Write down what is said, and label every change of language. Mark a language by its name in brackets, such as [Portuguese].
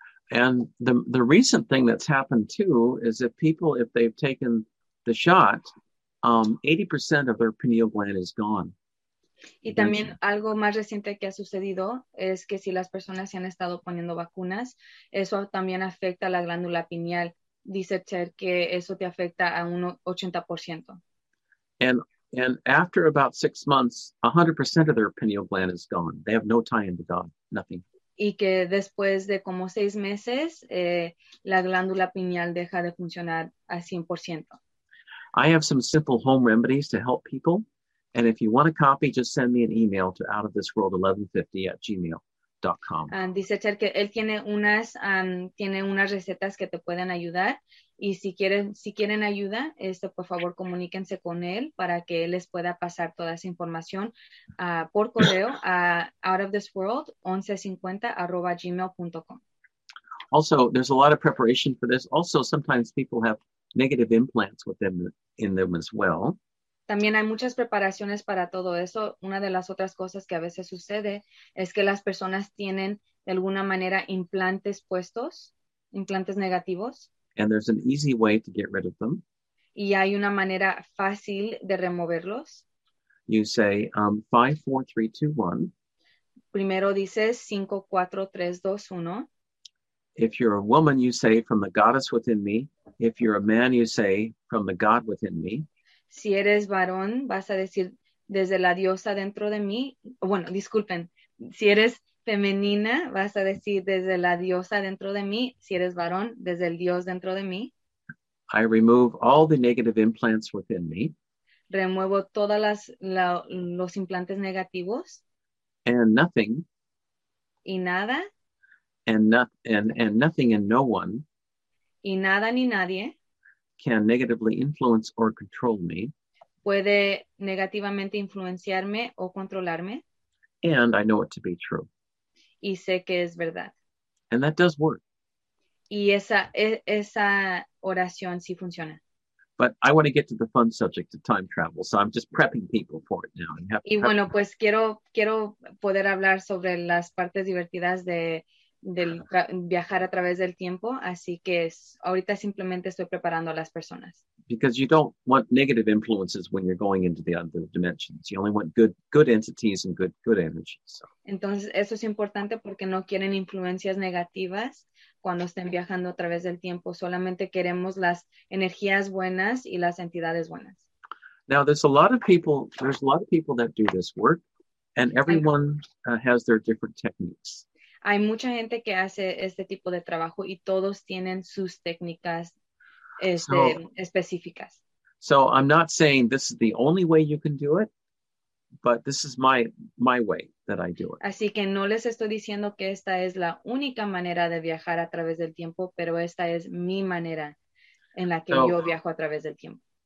[English] And the recent thing that's happened too is that people, if they've taken the shot, 80% of their pineal gland is gone. [Spanish] Y también algo más reciente que ha sucedido es que si las personas se han estado poniendo vacunas, eso también afecta a la glándula pineal. Dice Cher que eso te afecta a un 80%. [English] And after about 6 months, 100% of their pineal gland is gone. They have no tie into God, nothing. [Spanish] Y que después de como 6 meses, la glándula pineal deja de funcionar al 100%. [English] I have some simple home remedies to help people. And if you want a copy, just send me an email to outofthisworld1150@gmail.com. www.ramsdoctor.com. [Spanish] Dice Ter que él tiene unas recetas que te pueden ayudar. Y si quieren ayuda, por favor, comuníquense con él para que él les pueda pasar toda esa información por correo a outofthisworld1150@gmail.com. [English] Also, there's a lot of preparation for this. Also, sometimes people have negative implants with them in them as well. [Spanish] También hay muchas preparaciones para todo eso. Una de las otras cosas que a veces sucede es que las personas tienen de alguna manera implantes puestos, implantes negativos. [English] And there's an easy way to get rid of them. [Spanish] Y hay una manera fácil de removerlos. [English] You say 54321. [Spanish] Primero dices 54321. [English] If you're a woman, you say from the goddess within me. If you're a man, you say from the god within me. [Spanish] Si eres varón, vas a decir desde la diosa dentro de mí. Bueno, disculpen. Si eres femenina, vas a decir desde la diosa dentro de mí. Si eres varón, desde el dios dentro de mí. [English] I remove all the negative implants within me. [Spanish] Remuevo todas los implantes negativos. [English] And nothing. [Spanish] Y nada. [English] And nothing and no one. [Spanish] Y nada ni nadie. [English] Can negatively influence or control me. [Spanish] Puede negativamente influenciarme o controlarme. [English] And I know it to be true. [Spanish] Y sé que es verdad. [English] And that does work. [Spanish] Y esa oración sí funciona. [English] But I want to get to the fun subject of time travel, so I'm just prepping people for it now. [Spanish] Y bueno, pues quiero poder hablar sobre las partes divertidas del viajar a través del tiempo, así que ahorita simplemente estoy preparando a las personas. [English] Because you don't want negative influences when you're going into the other dimensions. You only want good entities and good energies. So. [Spanish] Entonces, eso es importante porque no quieren influencias negativas cuando estén viajando a través del tiempo. Solamente queremos las energías buenas y las entidades buenas. [English] Now, there's a lot of people that do this work, and everyone has their different techniques. [Spanish] Hay mucha gente que hace este tipo de trabajo y todos tienen sus técnicas específicas. [English] So I'm not saying this is the only way you can do it, but this is my way that I do it. [Spanish] Así que no les estoy diciendo que esta es la única manera de viajar a través del tiempo, pero esta es mi manera en la que yo viajo a través del tiempo.